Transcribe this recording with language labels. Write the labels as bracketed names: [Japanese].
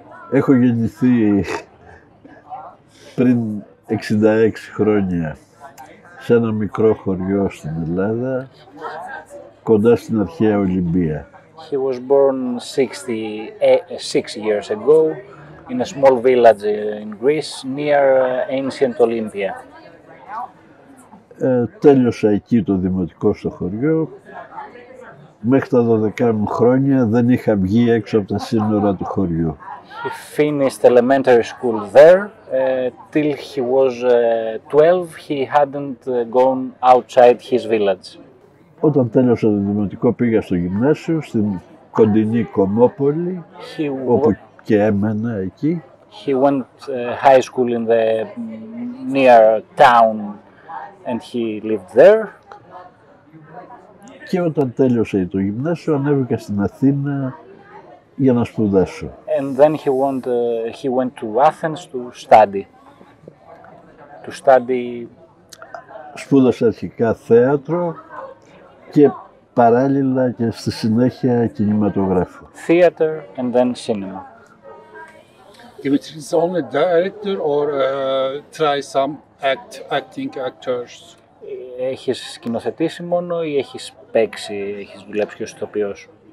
[Greek] Έχω γεννηθεί πριν 66 χρόνια σε ένα μικρό χωριό στην Ελλάδα, κοντά στην αρχαία Ολυμπία. [English] He was born 66 years ago in a small village in Greece near ancient Olympia. [Greek] Τέλειωσα εκεί το δημοτικό στο χωριό. Μέχρι τα 12 μου χρόνια δεν είχα βγει έξω από τα σύνορα του χωριού. [English] He finished elementary school there. Till he was 12, he hadn't gone outside his village. [Greek] Όταν τέλειωσα το δημοτικό πήγα στο γυμνάσιο, στην κοντινή Κωμόπολη, όπου και έμενα εκεί. [English] He went high school in the near town and he lived there. [Greek] Και όταν τέλειωσα το γυμνάσιο, ανέβηκα στην Αθήνα για να σπουδάσω. [English] And then he went to Athens to study. To study. [Greek] Σπούδασα αρχικά θέατρο και παράλληλα και στη συνέχεια κινηματογράφο. [English] Theater and then cinema. Dimitris is only director or try some acting actors. [Greek] Έχεις σκηνοθετήσει μόνο ή έχεις παίξει, έχεις δουλέψει και ως ηθοποιός.